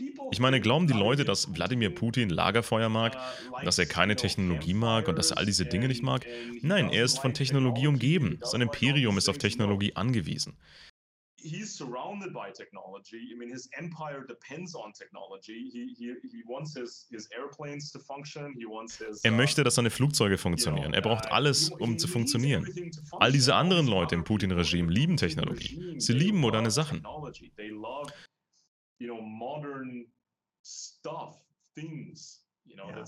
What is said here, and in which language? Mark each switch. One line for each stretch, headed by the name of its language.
German: Ich meine, glauben die Leute, dass Wladimir Putin Lagerfeuer mag, dass er keine Technologie mag und dass er all diese Dinge nicht mag? Nein, er ist von Technologie umgeben. Sein Imperium ist auf Technologie angewiesen.
English: He's surrounded by technology. I mean, his empire depends on technology. He wants his airplanes to function. He wants his.
German: Er möchte, dass seine Flugzeuge funktionieren. Er braucht alles, um zu funktionieren. All diese anderen Leute im Putin-Regime lieben Technologie. Sie lieben moderne Sachen.
English: They love, you know, modern stuff, things, you know.